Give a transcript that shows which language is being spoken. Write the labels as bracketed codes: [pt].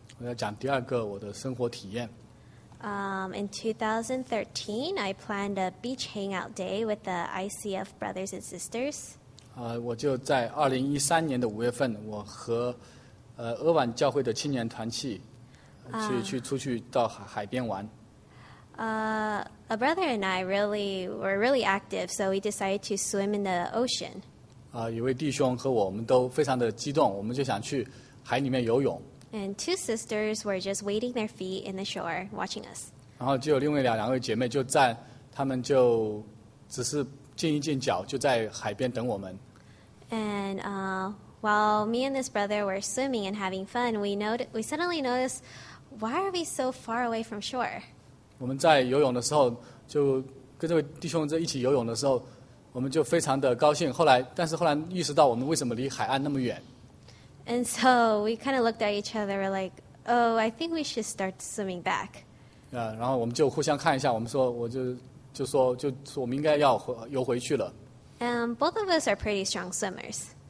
[zh] 我要讲第二个我的生活体验。 [en] In 2013, I planned a beach hangout day with the ICF brothers and sisters. [zh] 我就在2013年的五月份，我和厄婉教会的青年团契去出去到海边玩。 [en] A brother and I really were really active, so we decided to swim in the ocean. [zh] 一位弟兄和我们都非常的激动，我们就想去海里面游泳。 [en] And two sisters were just wading their feet in the shore, watching us. [zh] 然后就有另外两位姐妹就站，她们就只是静一静脚，就在海边等我们。 [en] And while me and this brother were swimming and having fun, we suddenly noticed, why are we so far away from shore? [zh] 我们在游泳的时候，就跟这位弟兄在一起游泳的时候，我们就非常的高兴。后来意识到我们为什么离海岸那么远。 [en] And so we kind of looked at each other, we're like, oh, I think we should start swimming back. [zh] Yeah, 然后我们就互相看一下，我们说，我们应该要游回去了。 [en] And both of us are pretty strong swimmers.